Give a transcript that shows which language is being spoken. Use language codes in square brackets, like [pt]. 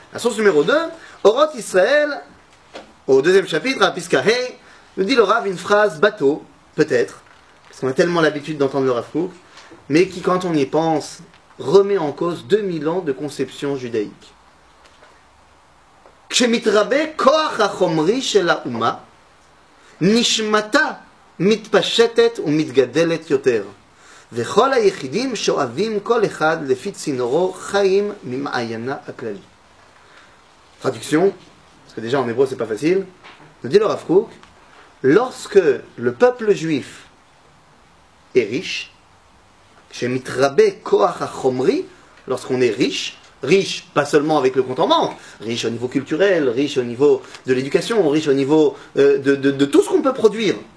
[fr] La source numéro 2, Orot Israël, au deuxième chapitre, à Piskahei, nous dit le Rav une phrase bateau, peut-être, parce qu'on a tellement l'habitude d'entendre le Rav Kook, mais qui, quand on y pense, remet en cause 2000 ans de conception judaïque. [he] כשמתרבה כוח החומרי של האומה, נשמתה מתפשטת ומתגדלת יותר, וכל היחידים שואבים כל אחד לפי צינורו חיים ממעיינה הכללי. [fr] Traduction, parce que déjà en hébreu c'est pas facile, nous dit le Rav Kook, lorsque le peuple juif est riche, כשמתרבה כוח החומרי, lorsqu'on est riche, riche, pas seulement avec le compte en banque, riche au niveau culturel, riche au niveau de l'éducation, riche au niveau de tout ce qu'on peut produire.